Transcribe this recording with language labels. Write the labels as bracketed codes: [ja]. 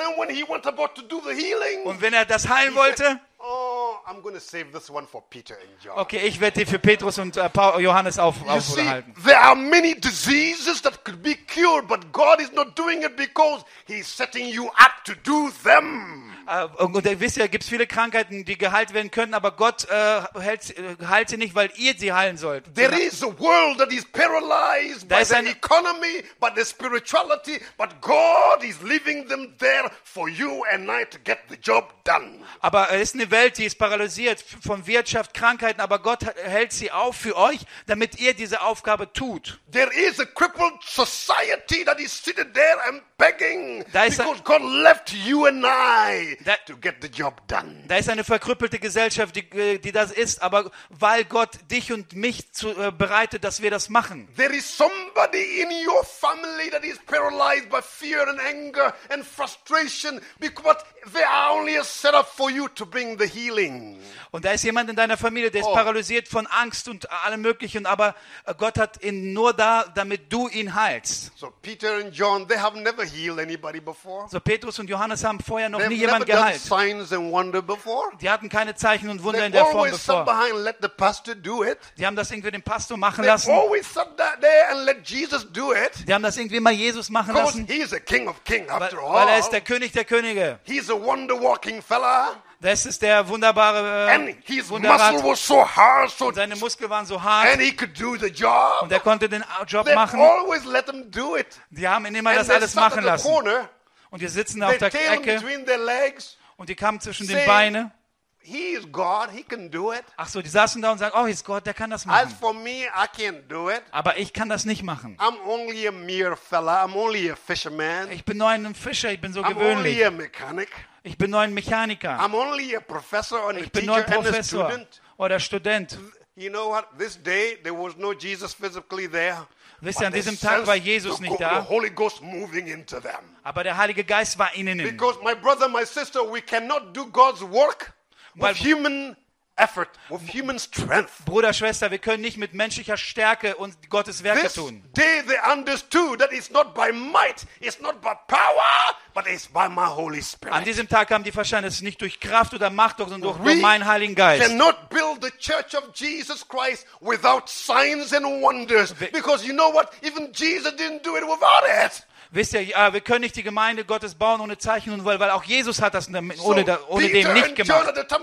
[en] And then when he went about to do the healing. [de] Und wenn er das heilen wollte. [en] Oh, I'm going to save this one for Peter and John. [de] Okay, ich werde die für Petrus und Johannes aufhalten. [en] There are many diseases that could be cured, but God is not doing it because he's setting you up to do them. [de] Und ihr wisst ja, gibt's viele Krankheiten, die geheilt werden können, aber Gott heilt sie nicht, weil ihr sie heilen sollt. [en] There is a world that is paralyzed by the economy, by the spirituality, but God is leaving them there for you and I to get the job done. [de] Aber es ist eine Welt, die ist paralysiert von Wirtschaft, Krankheiten, aber Gott hält sie auf für euch, damit ihr diese Aufgabe tut. [en] There is a crippled society that is sitting there and begging because God left you and I to get the job done. [de] Da ist eine verkrüppelte Gesellschaft, die das ist, aber weil Gott dich und mich bereitet, dass wir das machen. [en] There is somebody in your family that is paralyzed by fear and anger and frustration because they are only a setup for you to bring the healing. [de] Und da ist jemand in deiner Familie, der ist paralysiert von Angst und allem Möglichen, aber Gott hat ihn nur da, damit du ihn heilst. [en] So Peter and John, they have never healed anybody before. [de] So Petrus und Johannes haben vorher noch [en] They've [de] nie jemand geheilt. [en] Done signs and wonder before. [de] Die hatten keine Zeichen und Wunder [en] They've [de] in der Form [en] always [de] bevor. [en] Sat behind, let the pastor do it. [de] Die haben das irgendwie den Pastor machen [en] They've [de] lassen. [en] Always sat there and let Jesus do it. [de] Die haben das irgendwie mal Jesus machen lassen. [en] He is a king of kings after all. [de] Weil er ist der König der Könige. [en] He's a wonder walking fella. [de] Das ist der wunderbare [en] and his muscle was so hard, so [de] seine Muskeln waren so hart [en] and he could do the job. [de] Und er konnte den Job [en] They [de] machen. [en] Always let him do it. [de] Die haben ihn immer das alles machen lassen. [en] Corner, [de] und die sitzen auf der Ecke [en] legs, [de] und die kamen zwischen den Beinen. [en] He is God, he can do it. [de] Ach so, die saßen da und sagten, oh, [en] he's God, [de] der kann das machen. [en] As for me, I can't do it. [de] Aber ich kann das nicht machen. [en] I'm only a mere fella, I'm only a fisherman. [de] Ich bin nur ein Fischer, ich bin so gewöhnlich. [en] I'm only a mechanic. [de] Ich bin nur ein Mechaniker. [en] I'm only a professor and [de] ich bin nur ein Professor oder Student. [en] You know what? This day there was no Jesus physically there. [de] Wisst ihr, an diesem Tag war Jesus nicht da. [en] The Holy Ghost moving into them. [de] Aber der Heilige Geist war ihnen. [en] Because my brother, my sister, we cannot do God's work with human effort, with human strength. [de] Bruder, Schwester, wir können nicht mit menschlicher Stärke und Gottes Werke tun. [en] This day they understood that it's not by might, it's not by power, but it's by my Holy Spirit. [de] An diesem Tag haben die verstanden, es ist nicht durch Kraft oder Macht, sondern durch meinen Heiligen Geist. [en] We cannot build the church of Jesus Christ without signs and wonders, because you know what? Even Jesus didn't do it without it. [de] Wisst ihr, ja, wir können nicht die Gemeinde Gottes bauen ohne Zeichen und Wunder, weil auch Jesus hat das ohne dem nicht gemacht.